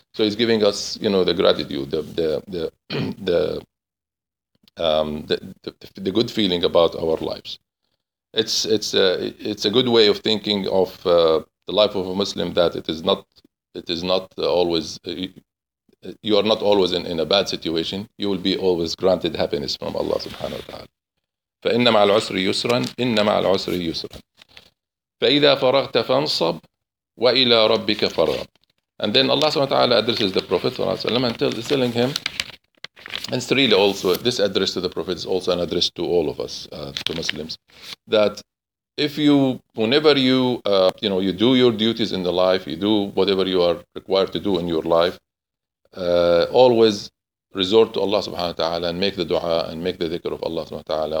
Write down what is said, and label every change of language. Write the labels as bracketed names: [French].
[English] So he's giving us, you know, the gratitude, the good feeling about our lives. It's a good way of thinking of the life of a Muslim, that it is not always, you are not always in a bad situation. You will be always granted happiness from Allah subhanahu wa ta'ala. [Arabic] فإن مع العسر يسرا إن مع العسر يسرا فإذا فرغت فانصب وإلى ربك فارغب. [English] And then Allah subhanahu wa ta'ala addresses the Prophet sallallahu alaihi wasallam and telling him, and it's really also, this address to the Prophet is also an address to all of us, to Muslims, that if you, whenever you, you know, you do your duties in the life, you do whatever you are required to do in your life, always resort to Allah subhanahu wa ta'ala and make the dua and make the dhikr of Allah subhanahu wa ta'ala.